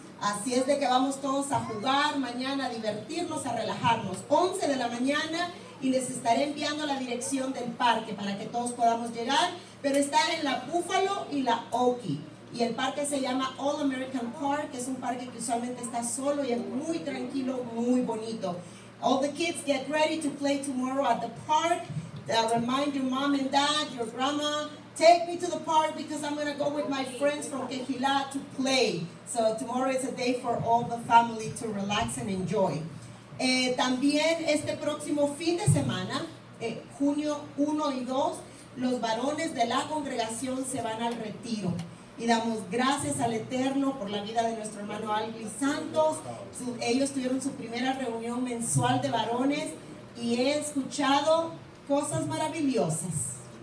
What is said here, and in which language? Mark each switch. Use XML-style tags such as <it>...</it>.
<es>Así es de que vamos todos a jugar mañana, a divertirnos, a relajarnos. 11 de la mañana y les estaré enviando la dirección del parque para que todos podamos llegar, pero estar en la Búfalo y la Oki. Y el parque se llama All American Park, que es un parque que usualmente está solo y es muy tranquilo, muy bonito.</es> <en>All the kids get ready to play tomorrow at the park. Remind your mom and dad, your grandma, take me to the park because I'm going to go with my friends from Quejilá to play. So tomorrow is a day for all the family to relax and enjoy.</en> <es>También este próximo fin de semana, junio 1 y 2, los varones de la congregación se van al retiro. Y damos gracias al Eterno por la vida de nuestro hermano Alvin Santos. Ellos tuvieron su primera reunión mensual de varones y he escuchado cosas maravillosas.</es>